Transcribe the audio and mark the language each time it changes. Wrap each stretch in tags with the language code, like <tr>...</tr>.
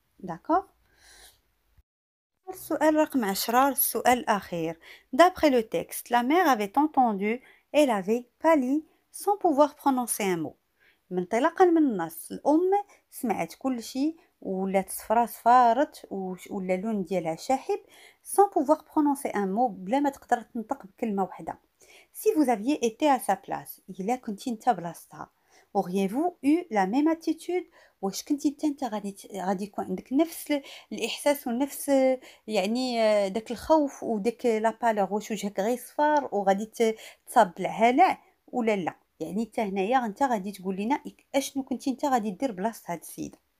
<ar>داكوغ، السؤال رقم 10، السؤال الأخير،</ar> <fr>d'après le texte la mère avait entendu elle avait pâli sans pouvoir prononcer un mot،</fr> <ar>من طلاقا من النص الأم سمعت كل شيء ولات صفرة صفارت ولا لون ديالها شاحب،</ar> <fr>sans pouvoir prononcer un mot،</fr> <ar>بلا ما تقدر تنطق بكلمة واحدة.</ar> <fr>si vous aviez été à sa place،</fr> <ar>إلا كنتي انت بلاصتها</ar> <fr>Auriez-vous eu la même attitude?</fr> <ar>واش كنتي انت غادي يكون عندك نفس الاحساس ونفس يعني داك الخوف وداك لا بالور؟ واش وجهك غير صفار وغادي تصاب الهلع ولا لا؟ يعني انت هنايا انت غادي تقول لنا اشنو كنتي انت غادي دير بلاصه هاد السيده.</ar>